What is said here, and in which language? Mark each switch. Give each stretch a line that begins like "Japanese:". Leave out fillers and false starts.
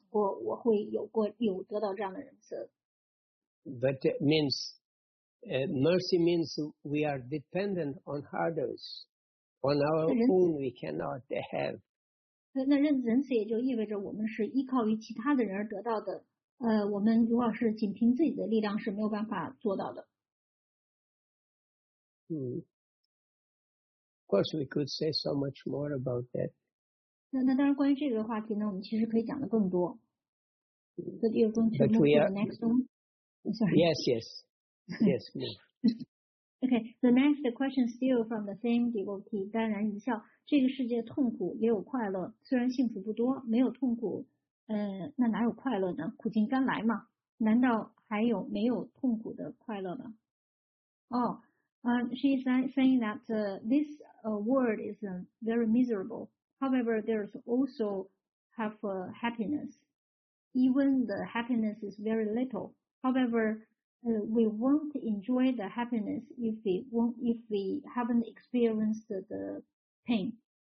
Chinese: 那这个仁慈呢，有的时候呢是我们想要得到的，但有的时候呢，其实是我们自己根本就没有想过我会有得到这样的仁慈。
English: But that means, mercy means we are dependent on others. On our own, we cannot have.
Chinese: 那仁慈也就意味着我们是依靠于其他的人而得到的。我们如果是仅凭自己的力量是没有办法做到的。
English: Of course, we could say so much more about that.
Chinese: 那当然，关于这个话题呢，我们其实可以讲的更多。
English: But you're going to move to the next one? Sorry. Yes, yes. Yes, please. Okay, the next question still from the same devotee,
Chinese: 淡然一笑，这个世界痛苦也有快乐，虽然幸福不多，没有痛苦，那哪有快乐呢?苦尽甘来嘛? 难道还有没有痛苦的快乐呢?
English: Oh, she's saying that this world is very miserable. However, there's also have happiness. Even the happiness is very little. However, we won't enjoy the happiness if we haven't experienced the pain.